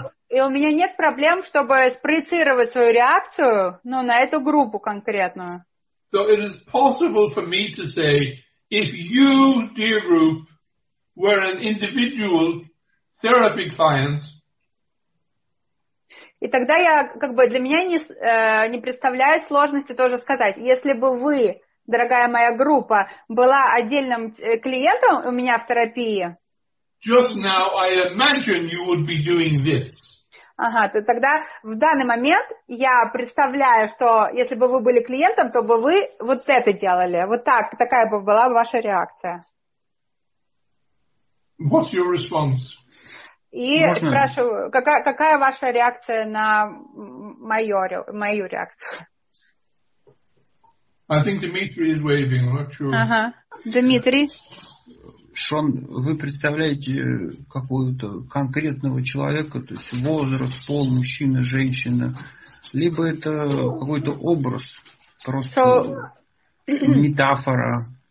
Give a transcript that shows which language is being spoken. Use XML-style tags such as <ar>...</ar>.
<ru>И у меня нет проблем, чтобы спроецировать свою реакцию, ну, на эту группу конкретную.</ru> <en>So it is possible for me to say, if you, dear group, were an individual therapy client.</en> <ru>И тогда я, как бы, для меня не представляет сложности тоже сказать. Если бы вы, дорогая моя группа, была отдельным клиентом у меня в терапии.</ru> <en>Just now I imagine you would be doing this.</en> <ru>Ага, то тогда в данный момент я представляю, что если бы вы были клиентом, то бы вы вот это делали. Вот так, такая бы была ваша реакция.</ru> <en>What's your response?</en> <ru>И спрашиваю, какая ваша реакция на мою реакцию?</ru> <en>I think Dmitry is waving, I'm not sure.</en> <ru>Ага, Дмитрий. Шон, вы представляете какого-то конкретного человека, то есть возраст, пол, мужчина, женщина, либо это какой-то образ, просто метафора?</ru>